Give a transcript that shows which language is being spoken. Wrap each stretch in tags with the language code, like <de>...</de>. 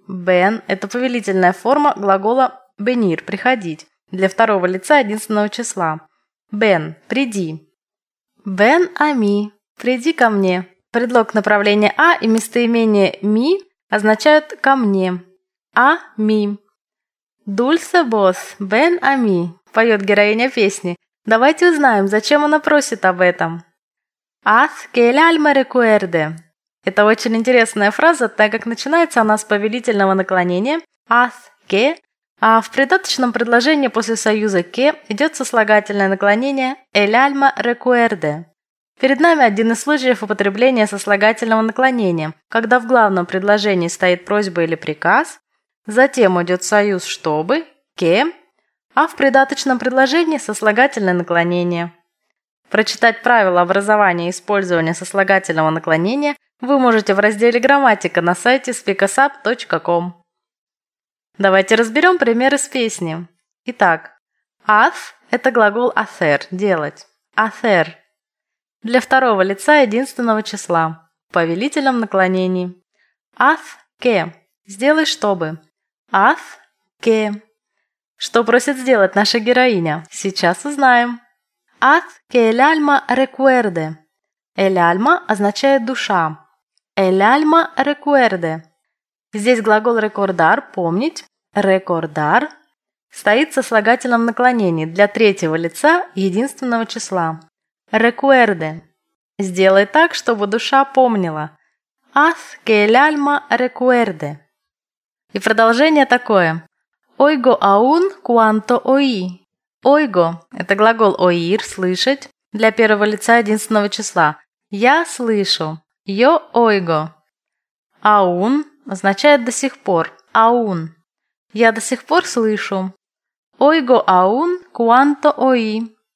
<ru>«Ven» — это повелительная форма глагола «venir» — «приходить». Для второго лица единственного числа. «Ven» — «приди».</ru> <es>«Ven a mí».</es> <ru>«Приди ко мне». Предлог направления «а» и местоимение «ми» означают «ко мне».</ru> <es>«А ми». «Dulce voz, ven a mí»,</es> <ru>поет героиня песни. Давайте узнаем, зачем она просит об этом.</ru> <es>«Haz que el alma recuerde».</es> <ru>Это очень интересная фраза, так как начинается она с повелительного наклонения</ru> <es>«haz que»,</es> <ru>а в придаточном предложении после союза «que» идет сослагательное наклонение</ru> <es>«el alma recuerde».</es> <ru>Перед нами один из случаев употребления сослагательного наклонения, когда в главном предложении стоит просьба или приказ, затем идет союз «чтобы», «que», а в придаточном предложении сослагательное наклонение. Прочитать правила образования и использования сослагательного наклонения вы можете в разделе «Грамматика» на сайте speakusup.com. Давайте разберем примеры с песни. Итак, «haz» – это глагол «hacer» – «делать». «Hacer» для второго лица единственного числа, в повелительном наклонении.</ru> <es>«Haz que»</es> <ru>– «сделай чтобы».</ru> <es>«Haz que».</es> <ru>Что просит сделать наша героиня? Сейчас узнаем.</ru> <es>«Haz que el alma recuerde». «El alma» означает «душа». «El alma recuerde».</es> <ru>Здесь глагол «рекордар» – «помнить». «Рекордар» стоит со слагательным наклонением для третьего лица единственного числа. «Рекуэрде» – «сделай так, чтобы душа помнила».</ru> <es>«Haz que el alma recuerde».</es> <ru>И продолжение такое.</ru> <es>«Oigo aún cuanto oí».</es> <ru>«Oigo» – это глагол «oír» – «слышать» для первого лица единственного числа. «Я слышу».</ru> <es>«Yo oigo».</es> <ru>«Aún» означает «до сих пор». «Aún». «Я до сих пор слышу».</ru> <es>«Oigo aún cuanto oí».</es>